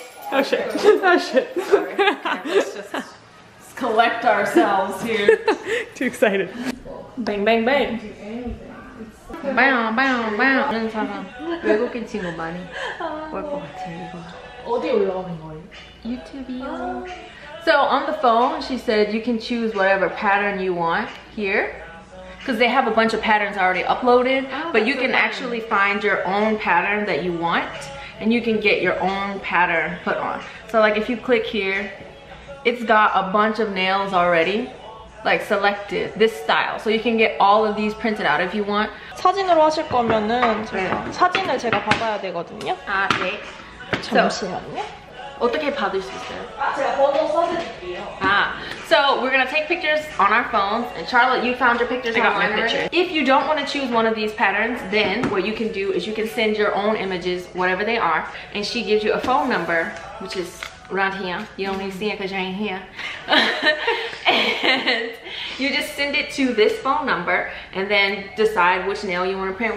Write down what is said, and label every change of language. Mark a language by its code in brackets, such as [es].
[en] Oh shit. Oh shit. Sorry. Let's just collect ourselves here. Too excited. Bang, bang, bang. Bam, bam, bam. [ko] 이런 사람 외국인 친구 많이 올 것 같아 이거. 어디 올라가는 거예요? YouTube요. [en] So on the phone, she said you can choose whatever pattern you want here. because they have a bunch of patterns already uploaded. Oh, but you can actually find your own pattern that you want, and you can get your own pattern put on. So like if you click here, it's got a bunch of nails already like selected this style, so you can get all of these printed out if you want. [ko] 사진으로 하실 거면은 제가 네. 사진을 제가 받아야 되거든요. 아, 네. 잠시만요. So, 어떻게 받을 수 있어요? 아, 제가 번호 써드릴게요. [en] 아, so we're gonna take pictures on our phones. And Charlotte, you found your pictures. I got my picture. If you don't want to choose one of these patterns, then what you can do is you can send your own images, whatever they are, and she gives you a phone number, which is around here. You don't need to see it because you ain't here. And you just send it to this phone number, and then decide which nail you want to print.